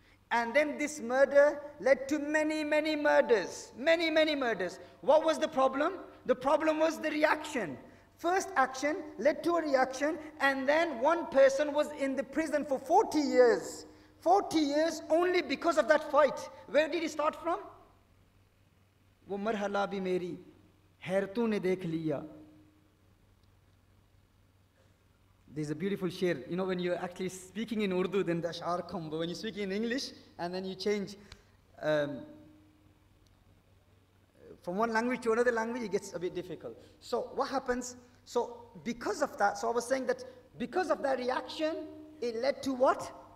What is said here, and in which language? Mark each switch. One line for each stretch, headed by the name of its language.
English: And then this murder led to many, many murders. Many, many murders. What was the problem? The problem was the reaction. First action led to a reaction, and then one person was in the prison for 40 years. 40 years only because of that fight. Where did he start from?
Urdu: وہ مرحلہ بھی میری حیرتوں نے دیکھ لیا.
English: There's a beautiful shir. You know, when you're actually speaking in Urdu, then the ashar come. But when you speak in English, and then you change from one language to another language, it gets a bit difficult. So what happens? So because of that, so I was saying that because of that reaction, it led to what?